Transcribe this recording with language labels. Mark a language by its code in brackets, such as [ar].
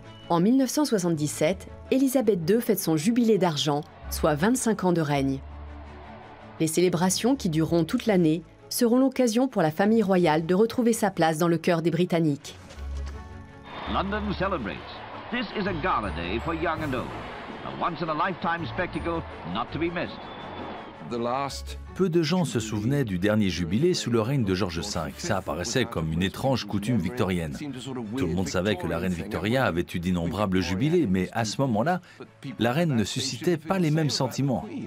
[fr] En 1977, Elizabeth II fête son jubilé d'argent, soit 25 ans de règne. Les célébrations qui dureront toute l'année seront l'occasion pour la famille royale de retrouver sa place dans le cœur des Britanniques. [en] London celebrates. This is a gala day for young and old. A once-in-a-lifetime spectacle not to be missed. [fr] Peu de gens se souvenaient du dernier jubilé sous le règne de George V. Ça apparaissait comme une étrange coutume victorienne. Tout le monde savait que la reine Victoria avait eu d'innombrables jubilés, mais à ce moment-là, la reine ne suscitait pas les mêmes sentiments.